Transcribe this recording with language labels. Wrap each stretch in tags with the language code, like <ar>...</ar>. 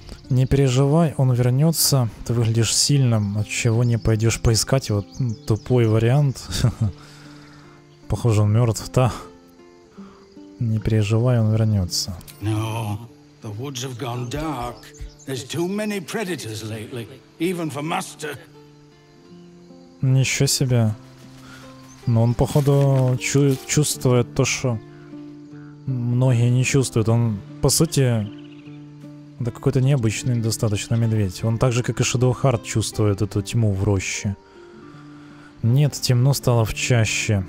<ru>Не переживай, он вернется. Ты выглядишь сильным, от чего не пойдешь поискать его. Тупой вариант. Похоже, он мертв, да? Не переживай, он вернется.</ru> <en>No, the woods have gone dark. There's too many predators lately, even for Master.</en> <ru>Ничего себе. Но он, походу, чувствует то, что многие не чувствуют. Он, по сути, да какой-то необычный достаточно медведь. Он так же, как и Shadow Heart, чувствует эту тьму в роще. Нет, темно стало в чаще.</ru>